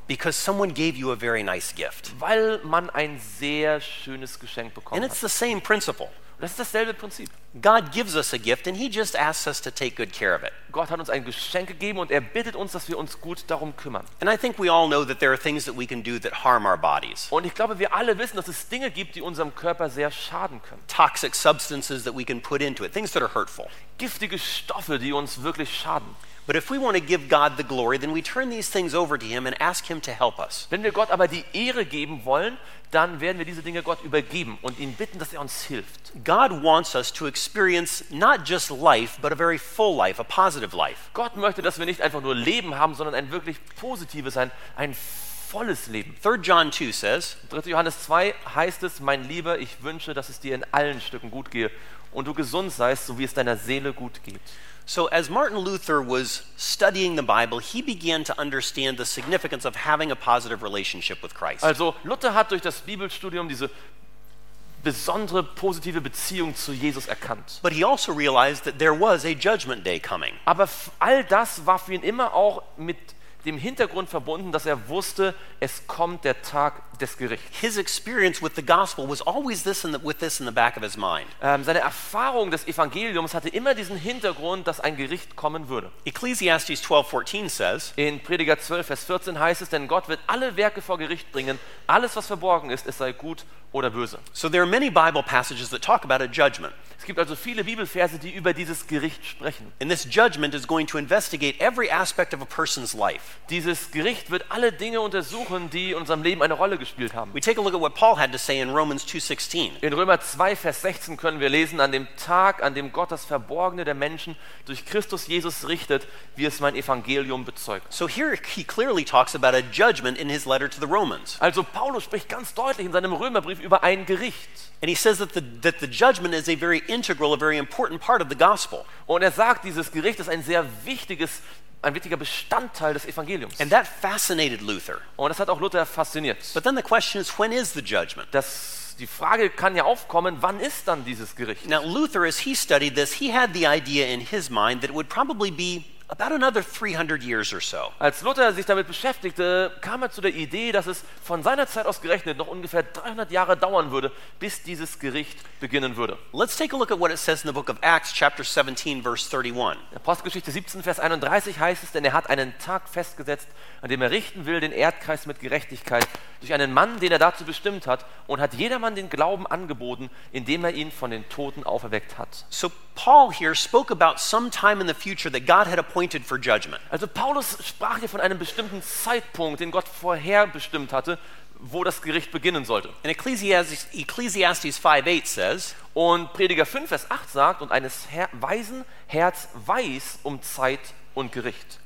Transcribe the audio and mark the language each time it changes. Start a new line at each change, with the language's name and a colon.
English: Because someone gave you a very nice gift.
German: Weil man ein sehr schönes Geschenk bekommen hat.
English: And it's the same principle.
German: Das ist dasselbe Prinzip.
English: God gives us a gift and he just asks us to take good care of it.
German: Gott hat uns ein Geschenk gegeben und er bittet uns, dass wir uns gut darum kümmern.
English: And I think we all know that there are things that we can do that harm our bodies.
German: Und ich glaube, wir alle wissen, dass es Dinge gibt, die unserem Körper sehr schaden können.
English: Toxic substances that we can put into it, things that are hurtful.
German: Giftige Stoffe, die uns wirklich schaden.
English: But if we want to give God the glory, then we turn these things over to him and ask him to help us.
German: Wenn wir Gott aber die Ehre geben wollen, dann werden wir diese Dinge Gott übergeben und ihn bitten, dass er uns hilft.
English: God wants us to experience not just life, but a very full life, a positive life.
German: Gott möchte, dass wir nicht einfach nur Leben haben, sondern ein wirklich positives, ein volles Leben.
English: 3 John 2 says,
German: 3. Johannes 2 heißt es, mein Lieber, ich wünsche, dass es dir in allen Stücken gut gehe und du gesund seist, so wie es deiner Seele gut geht.
English: So as Martin Luther was studying the Bible, he began to understand the significance of having a positive relationship with Christ.
German: Also Luther hat durch das Bibelstudium diese besondere positive Beziehung zu Jesus erkannt.
English: But he also realized that there was a judgment day coming.
German: Aber all das war für ihn immer auch mit dem Hintergrund verbunden, dass er wusste, es kommt der Tag des Gerichts.
English: His experience with the gospel was always this with this in the back of his mind.
German: Seine Erfahrung des Evangeliums hatte immer diesen Hintergrund, dass ein Gericht kommen würde.
English: Ecclesiastes 12:14 says,
German: in Prediger 12 Vers 14 heißt es, denn Gott wird alle Werke vor Gericht bringen, alles was verborgen ist, es sei gut oder böse.
English: So there are many Bible passages that talk about a judgment.
German: Es gibt also viele Bibelverse, die über dieses Gericht sprechen.
English: And this judgment is going to investigate every aspect of a person's life.
German: Dieses Gericht wird alle Dinge untersuchen, die in unserem Leben eine Rolle gespielt haben.
English: We take a look at what Paul had to say in Romans 2:16.
German: In Römer 2 Vers 16 können wir lesen, an dem Tag, an dem Gott das Verborgene der Menschen durch Christus Jesus richtet, wie es mein Evangelium bezeugt.
English: So here he clearly talks about a judgment in his letter to the Romans.
German: Also Paulus spricht ganz deutlich in seinem Römerbrief über ein Gericht.
English: And he says that the judgment is a very integral, a very important part of the gospel.
German: Und er sagt, dieses Gericht ist ein wichtiger Bestandteil des Evangeliums.
English: And that fascinated Luther.
German: Und das hat auch Luther fasziniert.
English: But then the question is, when is the judgment?
German: Die Frage kann ja aufkommen, wann ist dann dieses Gericht?
English: Now Luther, as he studied this, he had the idea in his mind that it would probably be about another 300 years or so.
German: Als Luther sich damit beschäftigte, kam er zu der Idee, dass es von seiner Zeit aus gerechnet noch ungefähr 300 Jahre dauern würde, bis dieses Gericht beginnen würde.
English: Let's take a look at what it says in the book of Acts, chapter 17, verse 31.
German: In Apostelgeschichte 17, Vers 31 heißt es, denn er hat einen Tag festgesetzt, an dem er richten will, den Erdkreis mit Gerechtigkeit, durch einen Mann, den er dazu bestimmt hat, und hat jedermann den Glauben angeboten, indem er ihn von den Toten auferweckt hat.
English: So Paul hier spoke about some time in the future that God had appointed for judgment.
German: Also Paulus sprach hier von einem bestimmten Zeitpunkt, den Gott vorher bestimmt hatte, wo das Gericht beginnen sollte.
English: In Ecclesiastes 5:8 says,
German: und Prediger 5 Vers 8 sagt, und eines weisen Herz weiß um Zeit und Gericht.